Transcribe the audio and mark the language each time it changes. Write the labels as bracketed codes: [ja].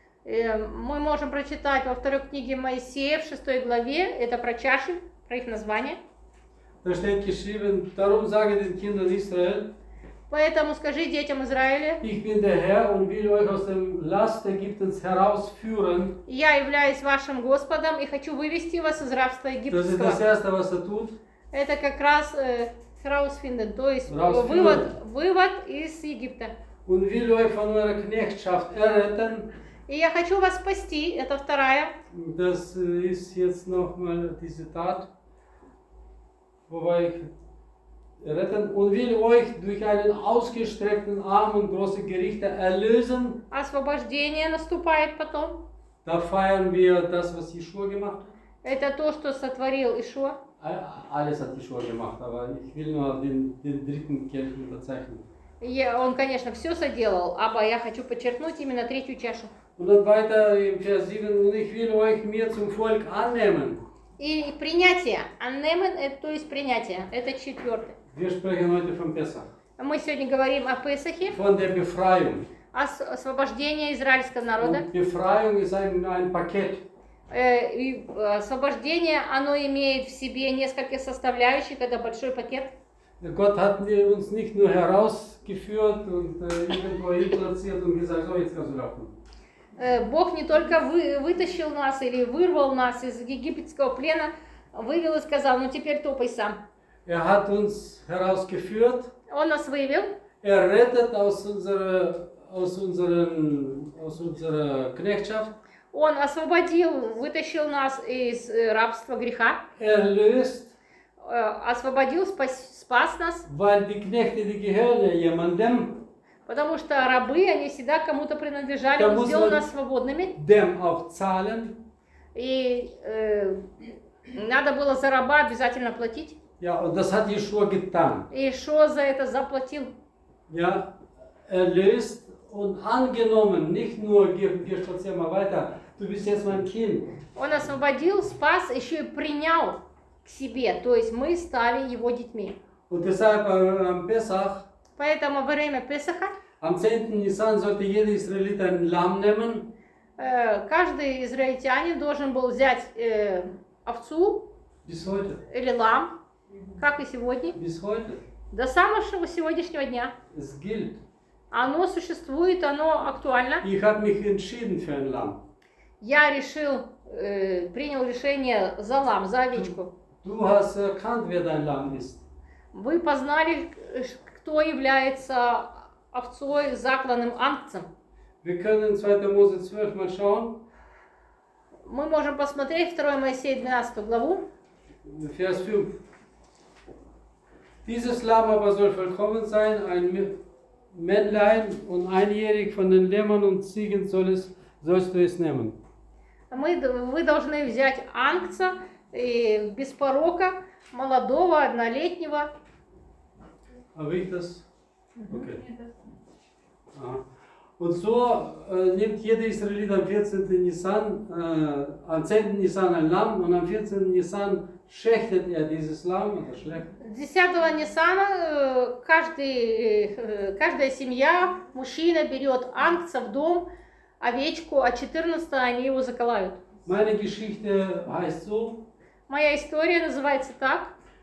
[ru] Мы можем прочитать во второй книге Моисея, в шестой главе, это про чаши, про их название. [de] Da steht geschrieben, darum sage den Kindern Israel, [ru] поэтому скажи детям Израиля, [de] ich bin der Herr und will euch aus dem Last Ägyptens herausführen. [ru] Я являюсь вашим Господом и хочу вывести вас из рабства Египетского. [de] Das ist das erste, was er tut. [ru] Это как раз [de] herausfinden, [ru] то есть [de] herausführen. [ru] Вывод из Египта. [de] Und will euch von eurer Knechtschaft erretten. [ru] И я хочу вас спасти, это вторая. [de] Das ist jetzt nochmal die Zitat, wobei ich retten und will euch durch einen ausgestreckten Arm und große Gerichte erlösen. [ru] Освобождение наступает потом. [de] Da feiern wir das, was Yeshua gemacht hat. [ru] Это то, что сотворил Ишуа. [de] Alles hat Yeshua gemacht, aber ich will nur den dritten Kelch unterzeichnen. [ru] Он, конечно, все соделал, aber я хочу подчеркнуть именно третью чашу. [de] Und dann weiter im Vers 7, und ich will euch mir zum Volk annehmen. [ru] И принятие, annehmen, то есть принятие, это четвертое. [de] Wir sprechen heute vom Pesach. [ru] Мы сегодня говорим о Песахе. [de] Von der Befreiung. [ru] Освобождение израильского народа. [de] Und Befreiung ist ein Paket. [ru] И освобождение, оно имеет в себе несколько составляющих, это большой пакет. [de] Gott hat uns nicht nur herausgeführt und irgendwo hinplatziert und gesagt, so, jetzt kannst du laufen. [ru] Бог не только вытащил нас или вырвал нас из египетского плена, вывел и сказал, ну теперь топай сам. [de] Er hat uns herausgeführt. [ru] Он нас вывел. [de] Er rettet aus unserer Knechtschaft. [ru] Он освободил, вытащил нас из рабства греха. [de] Erlöst. [ru] освободил, спас нас. [de] Weil die Knechte, die gehören jemandem. [ru] Потому что рабы, они всегда кому-то принадлежали, он сделал нас свободными. [de] Dem auch zahlen. [ru] И надо было за раба обязательно платить. [de] Ja, und das hat Yeshua getan. [ru] Yeshua за это заплатил. [de] Ja, erlöst und angenommen, nicht nur wir spazieren mal weiter, du bist jetzt mein Kind. [ru] Он освободил, спас, еще и принял к себе, то есть мы стали его детьми. [de] Und deshalb am Pesach, [ru] поэтому во время Песаха, [de] am 10. Nisan sollte jeder Israelit ein Lamm nehmen, [ru] каждый израильтянин должен был взять овцу, [de] bis heute. [ru] Или лам, как и сегодня, [de] bis heute. [ru] До самого сегодняшнего дня. [de] Es gilt. [ru] Оно существует, оно актуально. [de] Ich habe mich entschieden für ein Lamm. [ru] Я решил, принял решение за лам, за овечку. [de] Du hast erkannt, wer dein Lamm ist. [ru] Вы познали, кто является овцой, закланным ангцем. [de] Wir können 2. Mose 12 mal schauen. [ru] Мы можем посмотреть 2 Моисея 12 главу. [de] Vers 5. Dieses Lamm aber soll vollkommen sein, ein Männlein und einjährig von den Lämmern und Ziegen sollst du es nehmen. [ru] Вы должны взять ангца без порока, молодого, однолетнего. [de] Habe ich das? Okay. Aha. Und so nimmt jeder Israelit am 14. Nisan, am 10. Nisan ein Lamm und am 14. Nisan schächtet dieses Lamm oder schlecht. [ru] 10 Нисана каждая семья, мужчина берет ангца в дом, овечку, а 14 они его заколают. [de] Meine Geschichte heißt so. [ru] Моя история называется так.